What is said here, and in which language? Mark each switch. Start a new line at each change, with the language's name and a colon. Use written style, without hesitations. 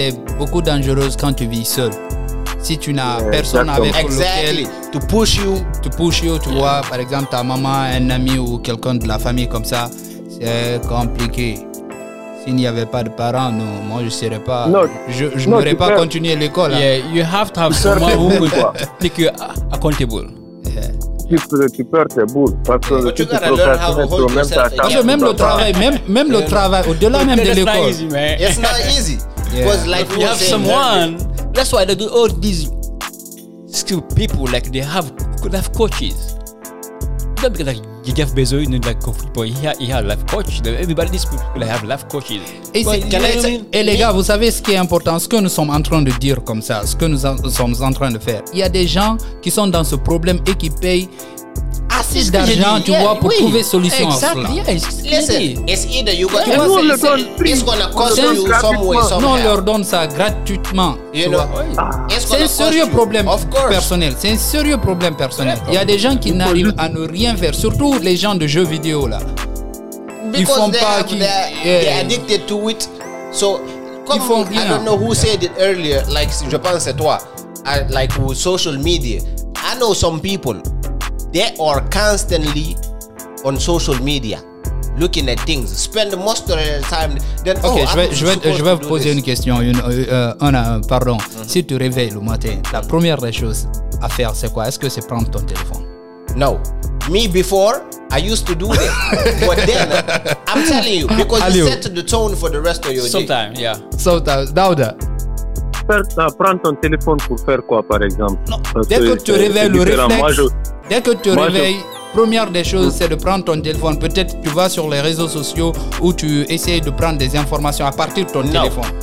French: elle est beaucoup dangereuse quand tu vis seul. Si tu n'as personne avec
English: exactly.
French: lequel
English: to push you,
French: tu vois, par exemple ta maman, un ami ou quelqu'un de la famille comme ça, c'est compliqué. S'il n'y avait pas de parents, non, moi je serais pas, je n'aurais pas continué l'école.
English: Yeah,
French: hein.
English: You have to have someone who will take you accountable.
French: Tu perds tes boules parce que tu te procrastines toi-même. Parce que même le travail, même le travail, au-delà même de l'école.
English: It's not easy, man. It's not easy. Because like you have someone. That's why they do all these skilled people, like they have life coaches. Not because like Jeff Bezos, you know, like football, he has life coaches. Everybody, these people, they have life coaches.
French: Et les gars, vous savez ce qui est important, ce que nous sommes en train de dire comme ça, ce que nous sommes en train de faire. Il y a des gens qui sont dans ce problème et qui payent assez d'argent, tu vois, pour trouver solution
English: exactly.
French: à cela.
English: Listen, it's either you got to say it's gonna cost you some way, somehow.
French: Non, on leur donne ça gratuitement.
English: You know, it's
French: c'est un sérieux problème personnel. C'est un sérieux problème personnel. Il y a des gens qui n'arrivent à ne rien faire, surtout les gens de jeux vidéo là.
English: Because
French: ils font pas qui.
English: They're addicted to it. So,
French: ils font rien.
English: I don't know who said it earlier. Like, je pense c'est toi. Like with social media, I know some people. They are constantly on social media, looking at things, spend most of their time. Then, okay, oh,
French: je vais vous poser une question. Pardon. Mm-hmm. Si tu réveilles le matin, la première des choses à faire, c'est quoi? Est-ce que c'est prendre ton téléphone?
English: No. Me, before, I used to do that. But then, I'm telling you, because it sets the tone for the rest of your sometime, Sometimes, yeah. Sometimes. Dauda.
French: Prendre ton téléphone pour faire quoi, par exemple? Non. Dès que tu réveilles le réflexe, dès que tu réveilles, première des choses, c'est de prendre ton téléphone. Peut-être tu vas sur les réseaux sociaux ou tu essayes de prendre des informations à partir de ton téléphone.